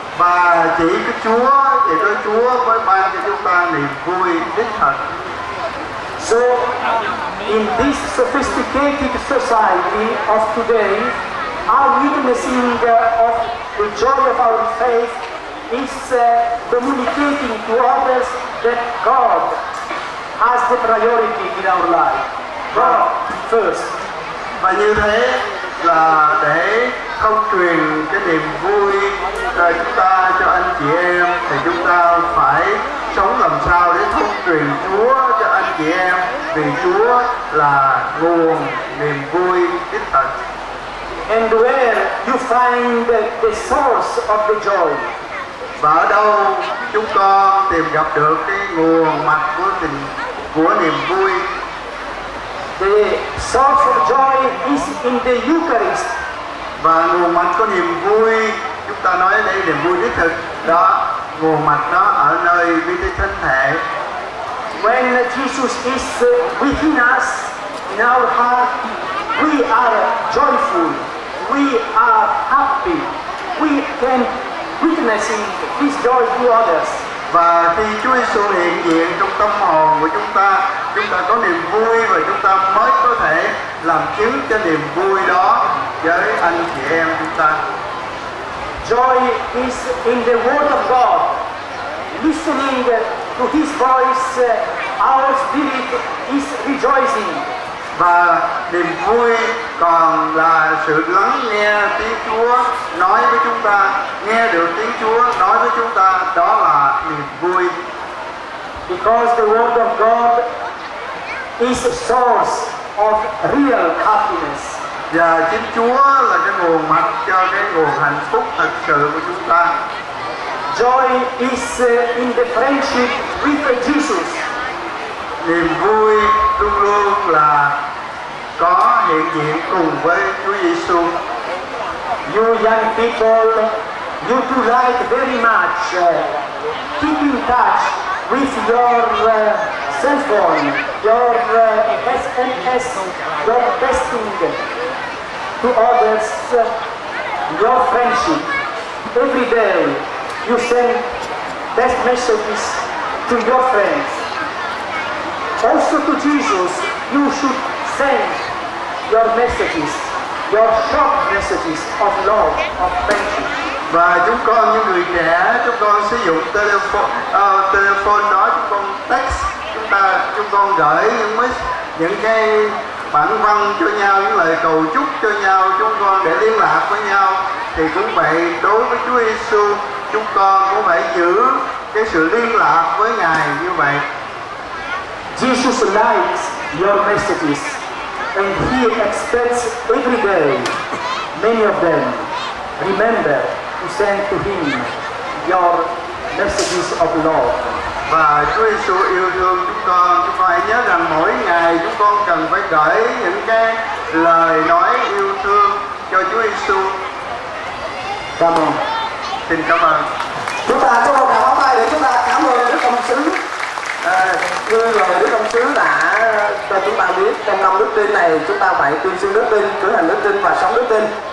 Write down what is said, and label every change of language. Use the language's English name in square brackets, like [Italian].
[Vietnamese] Và chỉ có Chúa, chỉ có Chúa mới ban cho chúng ta niềm vui đích thực. [English] So, in this sophisticated society of today, our witnessing of the joy of our faith is communicating to others that God has the priority in our life. God first. [Vietnamese] Và như thế là để không truyền cái niềm vui cho chúng ta, cho anh chị em, thì chúng ta phải sống làm sao để không truyền Chúa cho anh chị em, vì Chúa là nguồn niềm vui đích thực. [English] And where you find the source of the joy? [Vietnamese] Và ở đâu chúng con tìm gặp được cái nguồn mạch của niềm vui? [English] The source of joy is in the Eucharist. [Vietnamese] Và nguồn mạch có niềm vui, chúng ta nói đây niềm vui đích thực đó, nguồn mạch nó ở nơi Bí tích Thánh Thể. [English] When Jesus is within us, in our heart, we are joyful, we are happy, we can witnessing His joy to others. [Vietnamese] Và khi Chúa Giêsu hiện diện trong tâm hồn của chúng ta có niềm vui và chúng ta mới có thể làm chứng cho niềm vui đó với anh chị em chúng ta. [English] Joy is in the Word of God. Listening to His voice, our spirit is rejoicing. [Vietnamese] Và niềm vui còn là sự lắng nghe tiếng Chúa nói với chúng ta, nghe được tiếng Chúa nói với chúng ta, đó là niềm vui. [English] Because the Word of God is a source of real happiness. [Vietnamese] Và chính Chúa là cái nguồn mạch cho cái nguồn hạnh phúc thật sự của chúng ta. [English] Joy is in the friendship with Jesus. [Vietnamese] Niềm vui luôn luôn là có hiện diện cùng với Chúa Giêsu. [English] You young people, you do like very much keep in touch with your cell phone, your SMS, your texting to others, your friendship. Every day you send text messages to your friends. Also to Jesus, you should send your messages, your short messages of love, of friendship. [Vietnamese] Và chúng con những người trẻ, chúng con sử dụng telephone đó, chúng con text, chúng con gửi những cái bản văn cho nhau, những lời cầu chúc cho nhau, chúng con để liên lạc với nhau. thì cũng vậy, đối với Chúa Giêsu, chúng con cũng phải giữ cái sự liên lạc với Ngài như vậy. [English] Jesus likes your messages and He expects every day many of them remember to send to Him your messages of love. [Vietnamese] Và Chúa Giêsu yêu thương chúng con phải nhớ rằng mỗi ngày chúng con cần phải gửi những cái lời nói yêu thương cho Chúa Giêsu. Cảm ơn. Xin cảm ơn. Chúng ta cho một tràng pháo tay để chúng ta cảm ơn Đức Công Sứ. Ngươi là Đức Công Sứ đã cho chúng ta biết trong năm đức tin này chúng ta phải tuyên xưng đức tin, cử hành đức tin và sống đức tin.